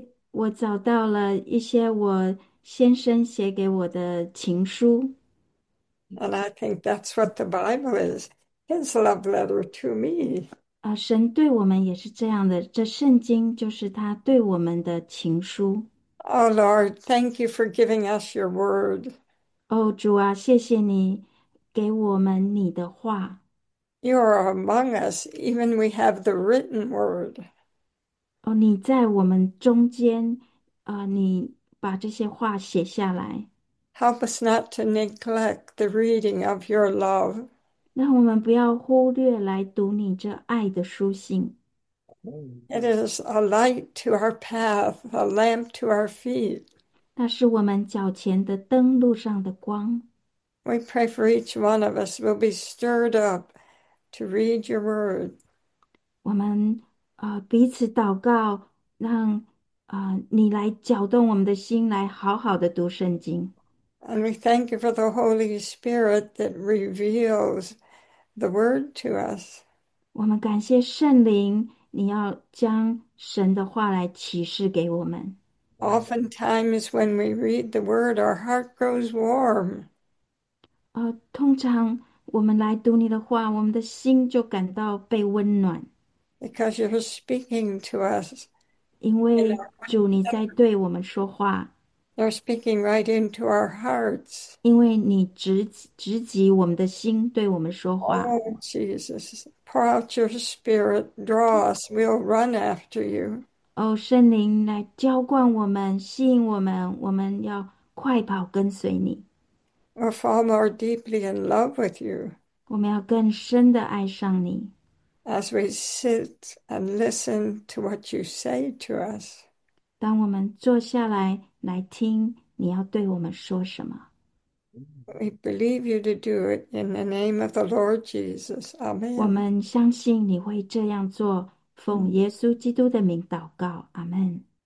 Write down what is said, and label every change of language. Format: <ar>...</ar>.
<zh>我找到了一些我先生写给我的情书。</zh> <en>And I think that's what the Bible is, his love letter to me.</en> <zh>神对我们也是这样的，这圣经就是他对我们的情书。</zh> <en>Oh Lord, thank you for giving us your word.</en> <zh>Oh，主啊，谢谢你给我们你的话。</zh> <en>You are among us, even we have the written word.</en> <zh>哦，你在我们中间，你把这些话写下来，</zh> <en>Help us not to neglect the reading of your love.</en> <zh>让我们不要忽略来读你这爱的书信。</zh> <en>It is a light to our path, a lamp to our feet.</en> <zh>那是我们脚前的灯，路上的光。</zh> <en>We pray for each one of us will be stirred up to read your word.</en> <zh>我们。彼此祷告，让你来搅动我们的心，来好好的读圣经。</zh> <en>And we thank you for the Holy Spirit that reveals the Word to us.</en> <zh>我们感谢圣灵，你要将神的话来启示给我们。</zh> <en>Oftentimes, when we read the Word, our heart grows warm.</en> <zh>通常我们来读你的话，我们的心就感到被温暖。</zh> <en>Because you're speaking to us</en> <zh>因</zh> <en>in</en> <zh>为</zh> <en>our</en> <zh>主你在对我们说话，</zh> <en>They're speaking right into our hearts.</en> <zh>因为你直击我们的心，对我们说话。</zh> <en>Oh, Jesus, pour out your spirit, draw us, we'll run after you.</en> <zh>哦，圣灵来浇灌我们，吸引我们，我们要快跑跟随你。</zh> <en>We'll fall more deeply in love with you</en> <zh>我们要更深的爱上你。</zh> <en>as we sit and listen to what you say to us.</en> <zh>当我们坐下来，来听你要对我们说什么。</zh> <en>We believe you to do it in the name of the Lord Jesus.</en> <zh>我</zh> <en>Amen.</en> <zh>们相信你会这样做，奉耶稣基督的名祷告，阿门。</zh>